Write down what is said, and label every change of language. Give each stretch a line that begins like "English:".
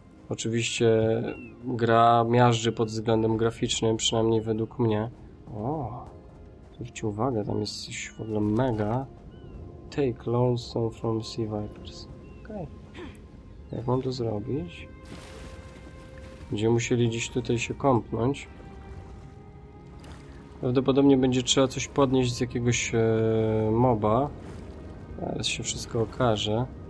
Polish: Oczywiście gra miażdży pod względem graficznym, przynajmniej według mnie. O, zwróćcie uwagę, tam jest coś w ogóle mega.
English: Take Lonesome from Sea Vipers.
Polish: Okej. Okay. Jak mam to zrobić? Będziemy musieli gdzieś tutaj się kąpnąć. Prawdopodobnie będzie trzeba coś podnieść z jakiegoś moba. Teraz się wszystko okaże.